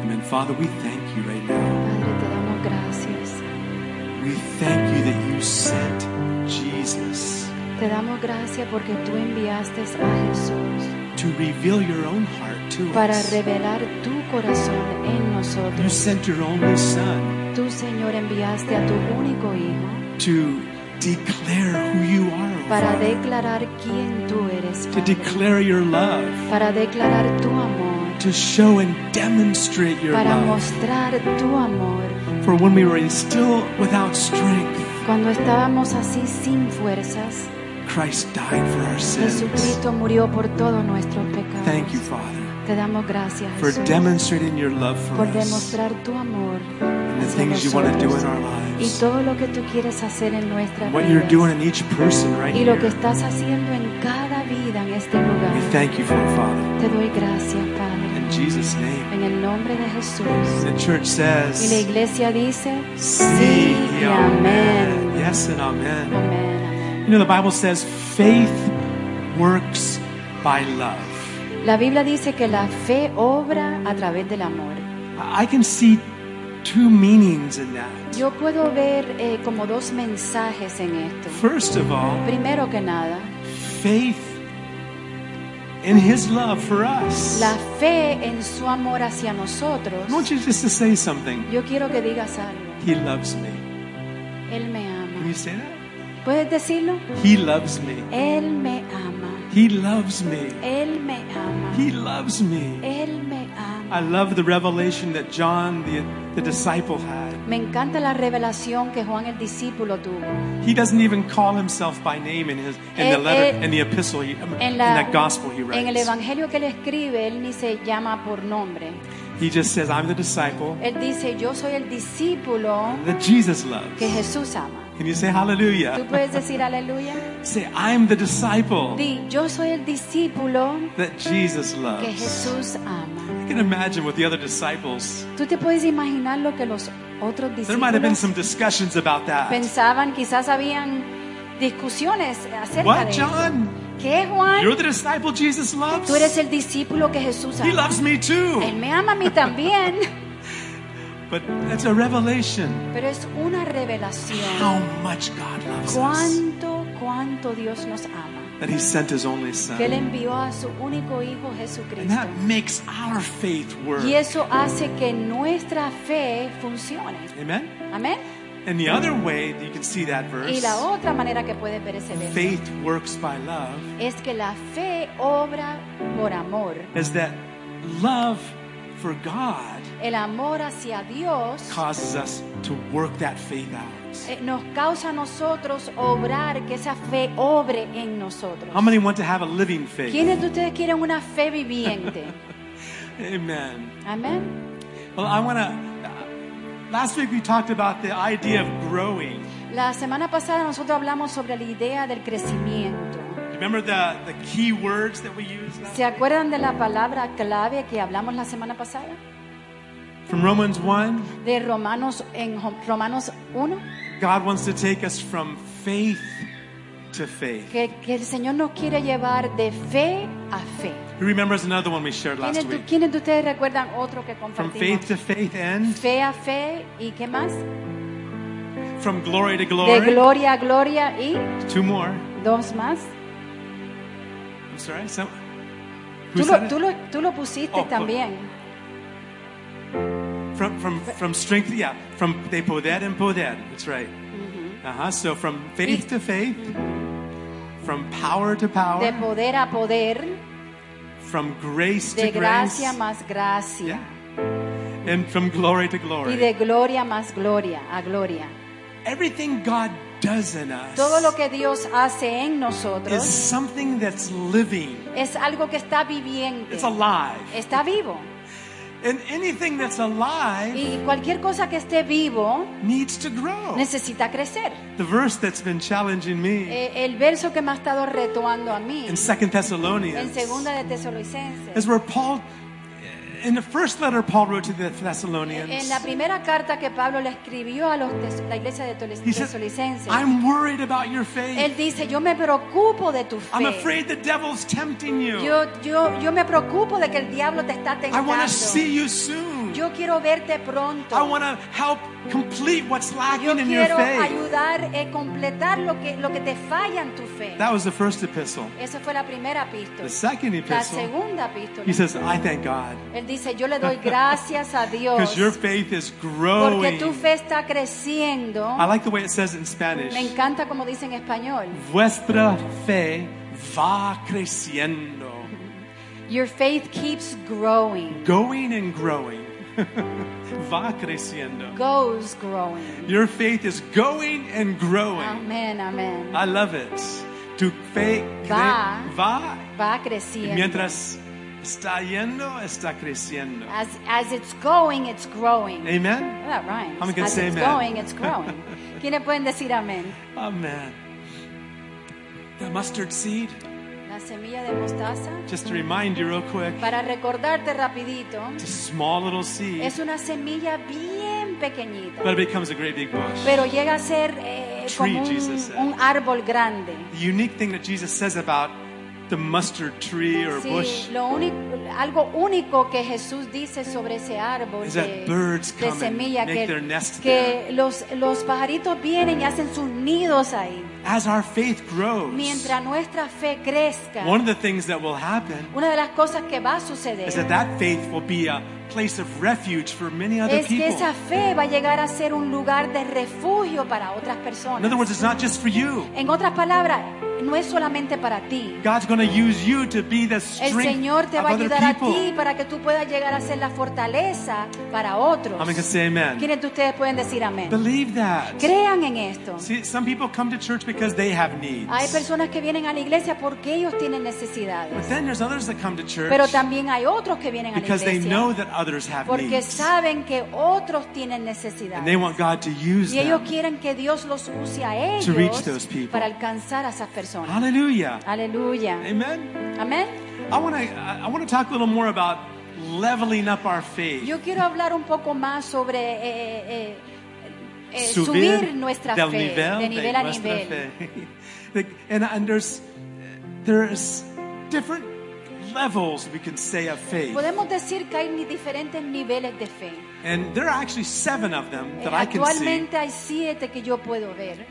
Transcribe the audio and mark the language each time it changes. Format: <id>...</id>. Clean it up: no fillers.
<en>Father, we thank you right now.</en> <es>Padre, te damos gracias.</es> <en>We thank you that you sent Jesus.</en> <es>Te damos gracias porque tú enviaste a Jesús.</es> <en>To reveal your own heart to</en> <es>para</es> <en>us.</en> <es>Para revelar tu corazón en nosotros.</es> <en>You sent your only son.</en> <es>Tú, Señor, enviaste a tu único hijo.</es> <en>To declare who you are.</en> <es>Para declarar quién tú eres, Padre.</es> <en>To declare your love.</en> <es>Para declarar tu amor.</es> <en>To show and demonstrate your</en> <es>para</es> <en>love.</en> <es>Mostrar tu amor.</es> <en>For when we were still without strength,</en> <es>cuando estábamos así sin fuerzas,</es> <en>Christ died for our sins.</en> <es>Jesucristo murió por todos nuestros pecados.</es> <en>Thank you, Father,</en> <es>te damos gracias,</es> <en>for</en> <es>Jesús,</es> <en>demonstrating your love for</en> <es>por</es> <en>us</en> <es>demostrar tu amor</es> <en>and the things</en> <es>nosotros</es> <en>you want to do in our lives.</en> <es>Y todo lo que tú quieres hacer en nuestra</es> <en>what</en> <es>vida.</es> <en>You're doing in each person right</en> <es>y lo</es> <en>here.</en> <es>Que estás haciendo en cada vida en este lugar.</es> <en>We thank you for it, Father.</en> <es>Te doy gracias, Padre.</es> <en>Jesus' name.</en> <es>En el nombre de Jesús.</es> <en>The church says.</en> <es>Y la iglesia dice. Sí, y amén.</es> <en>Yes and amen.</en> <es>Amen.</es> <en>You know the Bible says faith works by love.</en> <es>La Biblia dice que la fe obra a través del amor.</es> <en>I can see two meanings in that.</en> <es>Yo puedo ver como dos mensajes en esto.</es> <en>First of all.</en> <es>Primero que nada.</es> <en>Faith. In His love for us.</en> <es>La fe en su amor hacia nosotros.</es> <en>I want you just to say something.</en> <es>Yo quiero que digas algo.</es> <en>He loves me.</en> <es>Él me ama.</es> <en>Can you say that?</en> <es>¿Puedes decirlo?</es> <en>He loves me.</en> <es>Él me ama.</es> <en>He loves me.</en> <es>Él me ama.</es> <en>He loves me.</en> <es>Él me ama.</es> <en>I love the revelation that John, the disciple, had.</en> <es>Me encanta la revelación que Juan el discípulo tuvo.</es> <en>He doesn't even call himself by name in his in the letter in the epistle he, in that gospel he writes.</en> <es>En el evangelio que él escribe, él ni se llama por nombre.</es> <en>He just says, I'm the disciple.</en> <es>Él dice, yo soy el discípulo</es> <en>that Jesus loves.</en> <es>Que Jesús ama.</es> <en>Can you say hallelujah?</en> <es>¿Tú puedes decir aleluya?</es> <en>Say, I'm the disciple.</en> <es>Di, yo soy el discípulo</es> <en>that Jesus loves.</en> <es>Que Jesús ama.</es> <en>You can imagine what the other disciples.</en> <es>¿Tú te puedes imaginar lo que los otros discípulos?</es> <en>There might have been some discussions about that.</en> <es>Pensaban, quizás habían discusiones acerca</es> <en>what,</en> <es>de</es> <en>John?</en> <es>Eso. ¿Qué, Juan?</es> <en>You're the disciple Jesus loves.</en> <es>Tú eres el discípulo que Jesús ama.</es> <en>He loves me too.</en> <es>Él me ama a mí también.</es> <en>But it's a revelation.</en> <es>Pero es una revelación.</es> <en>How much God loves</en> <es>cuánto,</es> <en>us.</en> <es>Cuánto Dios nos ama.</es> <en>That He sent His only Son.</en> <es>Que Él envió a su único hijo Jesucristo.</es> <en>And that makes our faith work.</en> <es>Y eso hace que nuestra fe funcione.</es> <en>Amen.</en> <es>Amen.</es> <en>And the other way that you can see that verse.</en> <es>Y la otra manera que puedes ver ese verso.</es> <en>Faith works by love.</en> <es>Es que la fe obra por amor.</es> <en>Is that love for God?</en> <es>El amor hacia Dios</es> <en>causes us to work that faith out.</en> <es>Nos causa a nosotros obrar que esa fe obre en nosotros.</es> <en>How many want to have a living faith?</en> <es>¿Quiénes de ustedes quieren una fe viviente?</es> <en>Amen.</en> <es>Amen.</es> <en>Well, I want to. Last week we talked about the idea of growing.</en> <es>La semana pasada nosotros hablamos sobre la idea del crecimiento.</es> <en>Remember the key words that we used.</en> <es>¿Se acuerdan de la palabra clave que hablamos la semana pasada?</es> <en>From Romans 1.</en> <es>De Romanos en Romanos 1.</es> <en>God wants to take us from faith to faith.</en> <es>Que el Señor nos quiere llevar de fe a fe.</es> <en>Who remembers another one we shared last week?</en> <es>¿Quiénes de ustedes recuerdan otro que compartimos?</es> <en>From faith to faith and</en> <es>fe a fe y qué más?</es> <en>From glory to glory.</en> <es>De gloria a gloria y</es> <en>two more.</en> <es>Dos más.</es> <en>I'm sorry. So,</en> <es>tú lo pusiste oh, también.</es> <en>From strength, yeah, from</en> <es>de poder en poder.</es> <en>That's right. Mm-hmm. Uh-huh. So from faith to faith, mm-hmm. From power to power,</en> <es>de poder a poder,</es> <en>from grace to grace,</en> <es>de gracia más gracia,</es> <en>yeah. And from glory to glory,</en> <es>y de gloria más gloria a gloria.</es> <en>Everything God does in us,</en> <es>todo lo que Dios hace en nosotros,</es> <en>is something that's living,</en> <es>es algo que está viviendo,</es> <en>it's alive,</en> <es>está vivo.</es> <en>And anything that's alive,</en> <es>y cualquier cosa que esté vivo,</es> <en>needs to grow.</en> <es>Necesita crecer.</es> <en>The verse that's been challenging me,</en> <es>el verso que me ha estado retando a mí,</es> <en>in 2 Thessalonians,</en> <es>en segunda de Tesalonicenses,</es> <en>is where Paul, in the first letter Paul wrote to the Thessalonians,</en> <es>en la primera carta que Pablo le escribió a los la iglesia de Tesalonicenses,</es> <en>I'm worried about your faith.</en> <es>Él dice, yo me preocupo de tu fe.</es> <en>I'm afraid the devil's tempting you.</en> <es>Yo me preocupo de que el diablo te está tentando.</es> <en>I want to see you soon.</en> <es>Yo quiero verte pronto.</es> <en>I want to help complete what's lacking in your faith.</en> <es>Yo quiero ayudar a completar lo que te falla en tu fe.</es> <en>That was the first epistle.</en> <es>Esa fue la primera epístola.</es> <en>The second epistle.</en> <es>La segunda epístola.</es> <en>He says, I thank God.</en> <es>Él dice, yo le doy gracias a Dios.</es> <en>Because your faith is growing.</en> <es>Porque tu fe está creciendo.</es> <en>I like the way it says it in Spanish.</en> <es>Me encanta como dice en español. Vuestra fe va creciendo.</es> <en>Your faith keeps growing. Going and growing.</en> <es>Va creciendo.</es> <en>Goes growing. Your faith is going and growing. Amen, amen. I love it.</en> <es>Tu fe va creciendo. Mientras está yendo, está creciendo.</es> <en>As it's going, it's growing. Amen. Well, that rhymes. How many can as say it's amen? Going, it's growing.</en> <es>¿Quiénes pueden decir amén?</es> <en>Amen. The mustard seed.</en> <es>La semilla de mostaza.</es> <en>Just to remind you real quick.</en> <es>Para recordarte rapidito.</es> <en>It's a small little seed.</en> <es>Es una semilla bien pequeñita.</es> <en>But it becomes a great big bush.</en> <es>Pero llega a ser</es> <en>tree,</en> <es>como un árbol grande.</es> <en>The unique thing that Jesus says about the mustard tree or</en> <es>sí,</es> <en>bush.</en> <es>Lo único, algo único que Jesús dice sobre ese árbol</es> <en>is that birds come</en> <es>de semilla</es> <en>and make their nest there.</en> <es>Que los pajaritos vienen y hacen sus nidos ahí.</es> <en>As our faith grows,</en> <es>mientras nuestra fe crezca,</es> <en>one of the things that will happen,</en> <es>una de las cosas que va a suceder,</es> <en>is that that faith will be a place of refuge for many other people.</en> <es>Es que esa fe va a llegar a ser un lugar de refugio para otras personas.</es> <en>In other words, it's not just for you.</en> <es>En otras palabras, no es solamente para ti.</es> <en>God's going to use you to be the strength.</en> <es>El Señor te va a ayudar a ti para que tú puedas llegar a ser la fortaleza para otros.</es> <en>I'm going to say amen.</en> <es>¿Quiénes de ustedes pueden decir amén?</es> <en>Believe that.</en> <es>Crean en esto.</es> <en>See, some people come to church because they have needs.</en> <es>Hay personas que vienen a la iglesia porque ellos tienen necesidades.</es> <en>But then there's others that come to church.</en> <es>Pero también hay otros que vienen a la iglesia.</es> <en>Because they know that others have</en> <es>porque</es> <en>needs.</en> <es>Porque saben que otros tienen necesidades.</es> <en>And they want God to use them.</en> <es>Y ellos quieren que Dios los use a ellos.</es> <en>To reach those people.</en> <es>Para alcanzar a esas personas. Aleluya. Aleluya. Amen. Amen.</es> <en>I want to talk a little more about leveling up our faith.</en> <es>Yo quiero hablar un poco más sobre subir nuestra del fe nivel, de nivel a nivel.</es> <en>and there's different levels we can say of faith.</en> <es>Podemos decir que hay diferentes niveles de fe.</es> <en>And there are actually seven of them that I can see.</en> <es>Actualmente hay siete que yo puedo ver.</es>